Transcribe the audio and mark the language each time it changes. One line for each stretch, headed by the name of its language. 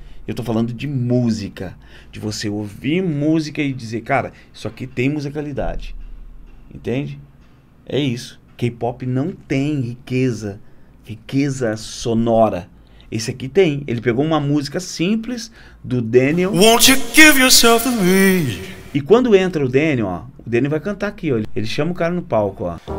Portuguese: Eu tô falando de música, de você ouvir música e dizer, cara, isso aqui tem musicalidade. Entende? É isso. K-pop não tem riqueza sonora. Esse aqui tem. Ele pegou uma música simples do Daniel.
English: Won't you give yourself to me?
Portuguese: E quando entra o Daniel, ó, o Daniel vai cantar aqui, ó. Ele chama o cara no palco, ó.